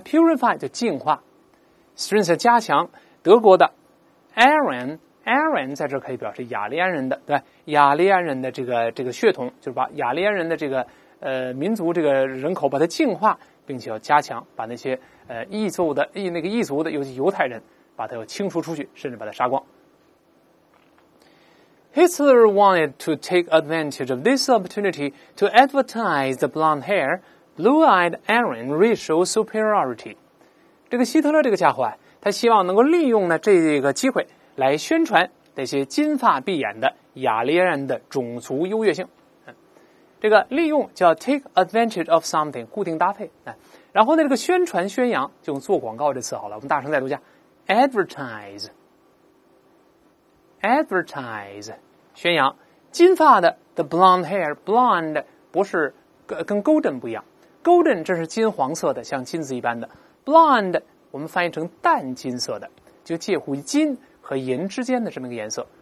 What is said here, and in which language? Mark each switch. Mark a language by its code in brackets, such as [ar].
[zh] purify 就净化， strength 加强，德国的 Aryan 在这可以表示雅利安人的，对，雅利安人的这个血统，就是把雅利安人的这个民族这个人口把它净化，并且要加强，把那些异族的，尤其犹太人，把它要清除出去，甚至把它杀光。 [en] Hitler wanted to take advantage of this opportunity to advertise the blonde hair, blue-eyed Aryan racial superiority。 [zh] 这个希特勒这个家伙啊，他希望能够利用呢这个机会，来宣传那些金发碧眼的雅利安人的种族优越性。这个利用叫 [en] take advantage of something， [zh] 固定搭配。然后呢，这个宣传宣扬就用做广告这次好了，我们大声再读一下 advertise 宣扬金发的 [en] the blonde hair， [zh] blonde 不是跟 golden 不一样， golden 这是金黄色的，像金子一般的， blonde 我们翻译成淡金色的，就介乎金和银之间的这么一个颜色。